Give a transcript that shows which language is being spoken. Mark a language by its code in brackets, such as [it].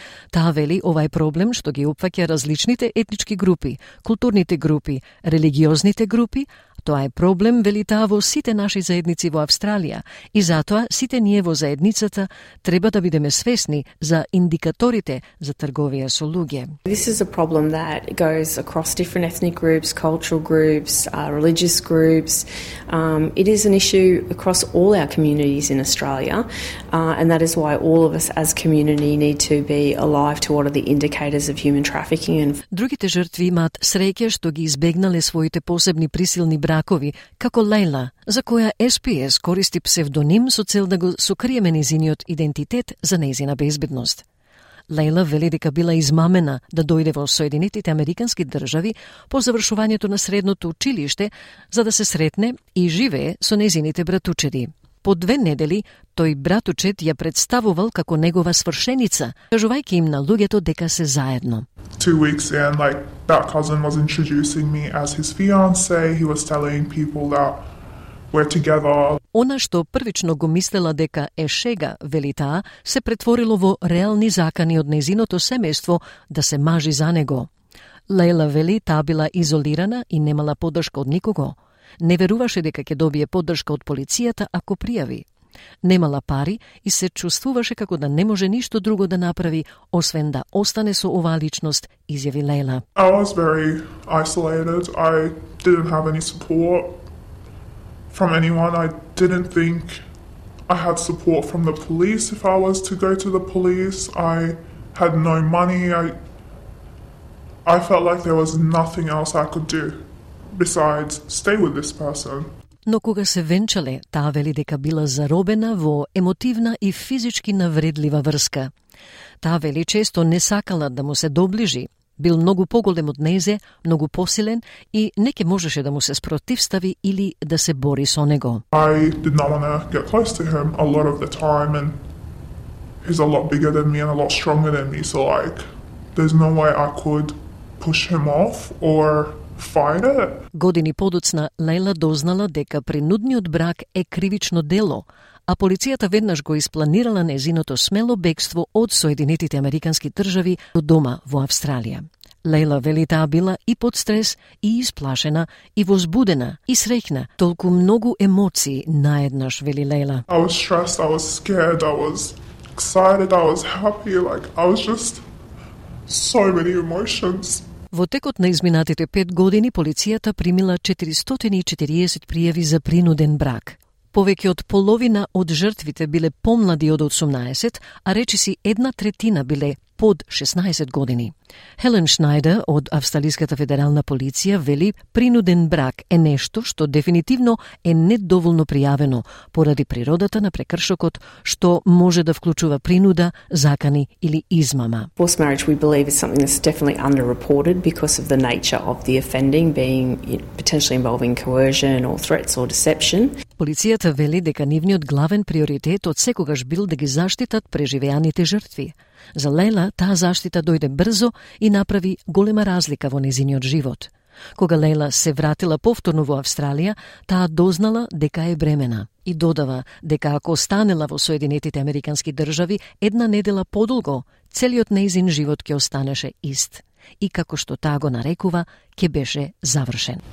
[mk] Таа вели овај проблем што ги опфаќа различните етнички групи, културните групи, религиозните групи. Тоа е проблем, вели таа, во сите наши заедници во Австралија и затоа сите ние во заедницата треба да бидеме свесни за индикаторите за трговија со луѓе. [en] This is a problem that goes across different ethnic groups, cultural groups, religious groups. It is an issue across all our communities in Australia, and that is why all of us as community need to be alive to what are the indicators of human trafficking. [mk] Другите жртви имаат среќа што ги избегнале своите посебни присилни бракови, како Лајла, за која SPS користи псевдоним со цел да го сокриеме нејзиниот идентитет за нејзина безбедност. Лајла вели дека била измамена да дојде во Соединетите Американски држави по завршувањето на средното училиште за да се сретне и живее со нејзините братучеди. По 2 недели, тој братучет ја представувал како негова свршеница, кажувајќи им на луѓето дека се заедно. [en] 2 weeks in, like, that cousin was introducing me as his fiance. He was telling people that we're together. [mk] Она што првично го мислела дека е шега, вели таа, се претворило во реални закани од незиното семејство да се мажи за него. Лајла вели таа била изолирана и немала подршка од никого. Не веруваше дека ќе добие поддршка од полицијата ако пријави. Немала пари и се чувствуваше како да не може ништо друго да направи, освен да остане со оваа личност, изјави Лейла. [en] I was very isolated. I didn't have any support from anyone. I didn't think I had support from the police if I was to go to the police. I had no money. I felt like there was nothing else I could do besides stay with this person. [mk] Но кога се венчале, таа вели дека била заробена во емотивна и физички навредлива врска. Таа вели често не сакала да му се доближи, бил многу поголем од незе, многу посилен и неке можеше да му се спротивстави или да се бори со него. [en] I did not want to get close to him a lot of the time and he's a lot bigger than me and a lot stronger than me, so like there's no way I could push him off or fight it. [mk] Години подоцна Лейла дознала дека принудниот брак е кривично дело, а полицијата веднаш го испланирала незиното смело бегство од Соединетите Американски држави до дома во Австралија. Лейла вели таа била и под стрес, и исплашена, и возбудена, и среќна, толку многу емоции наеднаш, вели Лейла. [en] I was stressed, I was scared, I was excited, I was happy, like I was just so many emotions. [mk] Во текот на изминатите 5 години, полицијата примила 440 пријави за принуден брак. Повеќе од половина од жртвите биле помлади од 18, а речиси една третина биле под 16 години. Хелен Шнајдер од Австралиската федерална полиција вели принуден брак е нешто што дефинитивно е недоволно пријавено поради природата на прекршокот што може да вклучува принуда, закани или измама. [en] Forced marriage we believe is something that's definitely underreported because of the nature of the offending being potentially involving coercion or threats or deception. [mk] Полицијата вели дека нивниот главен приоритет од секогаш бил да ги заштитат преживеаните жртви. За Лейла таа заштита дојде брзо и направи голема разлика во незиниот живот. Кога Лейла се вратила повторно во Австралија, таа дознала дека е бремена и додава дека ако останела во Соединетите Американски држави една недела подолго, целиот незин живот ќе останеше ист и како што таа го нарекува, ќе беше завршен.